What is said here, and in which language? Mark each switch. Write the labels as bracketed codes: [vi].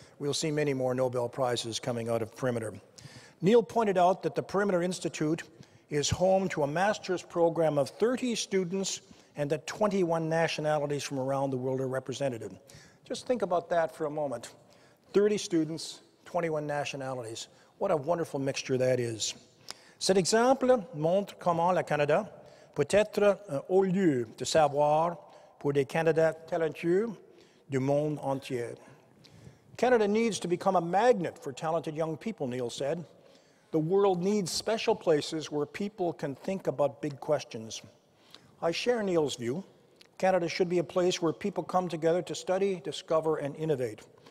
[en] We'll see many more Nobel Prizes coming out of Perimeter. Neil pointed out that the Perimeter Institute is home to a master's program of 30 students and that 21 nationalities from around the world are represented. Just think about that for a moment. 30 students, 21 nationalities. What a wonderful mixture that is. [fr] Cet exemple montre comment le Canada peut être un haut lieu de savoir pour des candidats talentueux du monde entier. [en] Canada needs to become a magnet for talented young people, Neil said. The world needs special places where people can think about big questions. I share Neil's view. Canada should be a place where people come together to study, discover, and innovate.